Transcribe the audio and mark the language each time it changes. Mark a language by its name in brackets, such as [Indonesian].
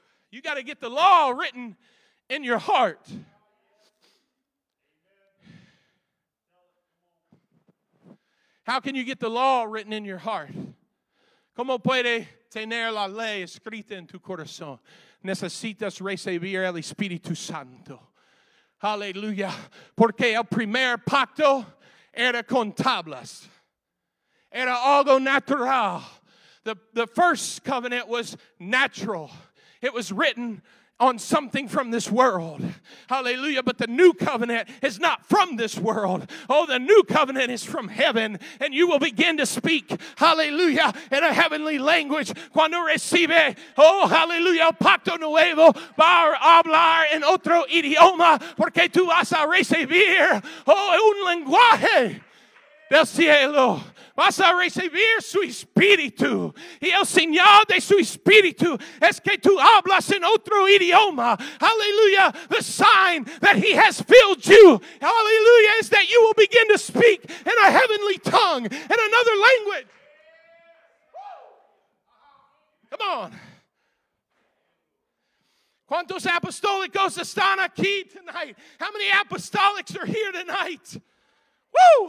[English] You got to get the law written in your heart. How can you get the law written in your heart? [Spanish] ¿Cómo puede tener la ley escrita en tu corazón? Necesitas recibir el Espíritu Santo. Hallelujah. Porque el primer pacto era con tablas. Era algo natural. [English] The first covenant was natural. It was written on something from this world. Hallelujah. But the new covenant is not from this world. Oh, the new covenant is from heaven. And you will begin to speak, hallelujah, in a heavenly language. [Spanish] Cuando recibe, oh, hallelujah, pacto nuevo, va a hablar en otro idioma, porque tú vas a recibir, oh, un lenguaje del cielo. Vas a recibir su espíritu. Y el señal de su espíritu es que tú hablas en otro idioma. [English] Hallelujah. The sign that he has filled you. Hallelujah. Is that you will begin to speak in a heavenly tongue. In another language. Come on. [Spanish] ¿Cuántos apostólicos están aquí [English] tonight? How many apostolics are here tonight? Woo.